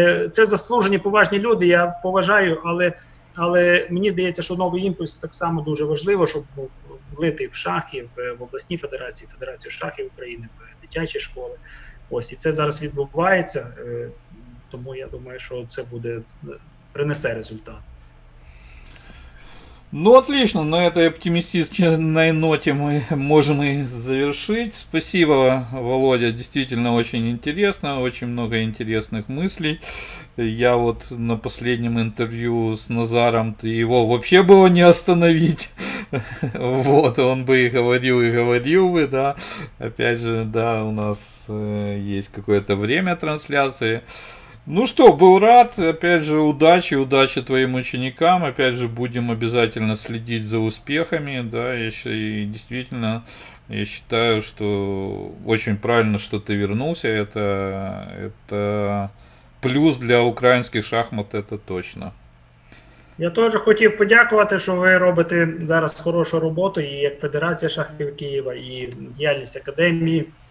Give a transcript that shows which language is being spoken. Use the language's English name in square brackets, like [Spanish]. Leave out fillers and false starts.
[Ukrainian] Це заслужені поважні люди, я поважаю, але мені здається, що новий імпульс так само дуже важливо, щоб був влитий в шахи, в обласні федерації, федерацію шахів України, в дитячі школи. Ось, і це зараз відбувається, тому я думаю, що це буде, принесе результат. [Russian] Ну, отлично, на этой оптимистичной ноте мы можем и завершить. Спасибо, Володя, действительно очень интересно, очень много интересных мыслей. Я вот на последнем интервью с Назаром, ты его вообще было не остановить. Вот, он бы и говорил бы, да. Опять же, да, у нас есть какое-то время трансляции. Ну что, был рад. Опять же, удачи, удачи твоим ученикам. Опять же, будем обязательно следить за успехами. Да, еще и действительно, я считаю, что очень правильно, что ты вернулся. Это плюс для украинских шахмат, это точно. [Ukrainian] Я теж хотів подякувати, що ви робите зараз хорошу роботу і як Федерація шахів Києва, і діяльність академії.